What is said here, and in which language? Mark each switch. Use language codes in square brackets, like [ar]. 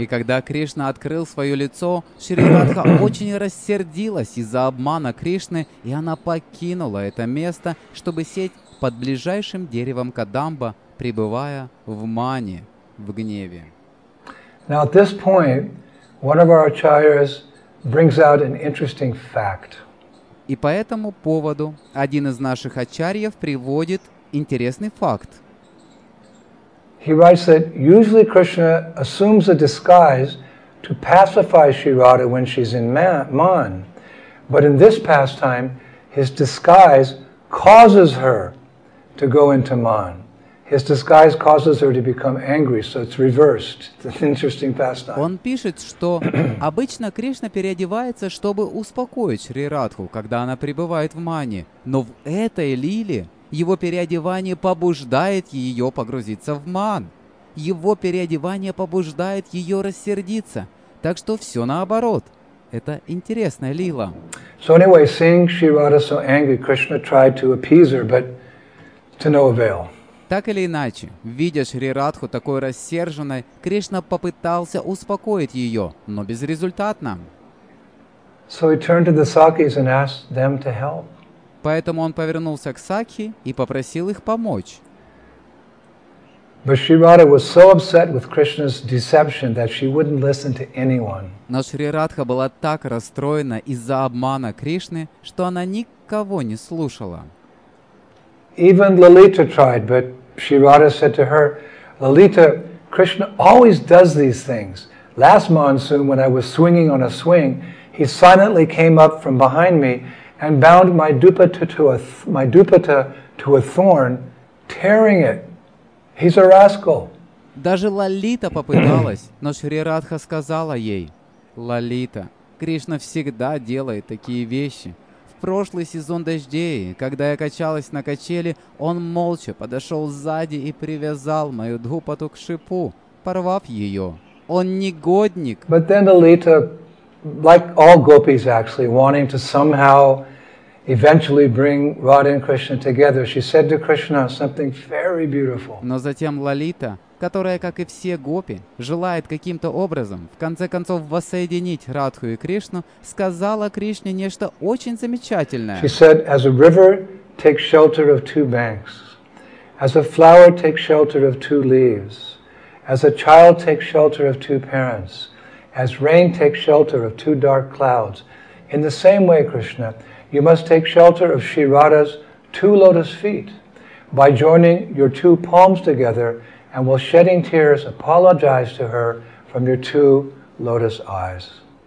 [ru] И когда Кришна открыл свое лицо, Шри Радха очень рассердилась из-за обмана Кришны, и она покинула это место, чтобы сесть под ближайшим деревом кадамба, пребывая в мане, в гневе. [en] Now at this point, one of our acharyas brings out an interesting fact. [ru] И по этому поводу один из наших ачарьев приводит интересный факт. [en] He writes that usually Krishna assumes a disguise to pacify Sri Radha when she's in Mon, but in this pastime, his disguise causes her to go into Mon. His disguise causes her to become angry, so it's reversed. It's an interesting pastime. [ru] Он пишет, что обычно Кришна переодевается, чтобы успокоить Шри Радху, когда она пребывает в Мане, но в этой лиле его переодевание побуждает ее погрузиться в ман. Его переодевание побуждает ее рассердиться. Так что все наоборот. Это интересная лила. [en] So anyway, seeing Sri Radha so angry, Krishna tried to appease her, but to no avail. [ru] Так или иначе, видя Шри Радху такой рассерженной, Кришна попытался успокоить ее, но безрезультатно. [en] So he turned to the Sakis and asked them to help. [ru] Поэтому он повернулся к Сакхи и попросил их помочь. [en] But Shri Radha was so upset with Krishna's deception that she wouldn't listen to anyone. [ru] Но Шри Радха была так расстроена из-за обмана Кришны, что она никого не слушала. [en] Even Lalita tried, but Shri Radha said to her, Lalita, Krishna always does these things. Last monsoon, when I was swinging on a swing, he silently came up from behind me and bound my dupatta to a thorn, tearing it. He's a rascal. [ru] Даже Лалита попыталась, но Шри Радха сказала ей, Лалита, Кришна всегда делает такие вещи. В прошлый сезон дождей, когда я качалась на качели, он молча подошел сзади и привязал мою дупатту к шипу, порвав ее. Он негодник. [en] But then Лалита, like all gopis actually, wanting to somehow eventually bring Radha and Krishna together, she said to Krishna something very beautiful. [ru] Но затем Лалита, которая, как и все гопи, желает каким-то образом, в конце концов, воссоединить Радху и Кришну, сказала Кришне нечто очень замечательное. [en] She said, as a river takes shelter of two banks, as a flower takes shelter of two leaves, as a child takes shelter of two parents, as rain takes shelter of two dark clouds, in the same way, Krishna, you must take shelter of Sri Radha's two lotus feet by joining your two palms together and while shedding tears, apologize to her from your two lotus eyes.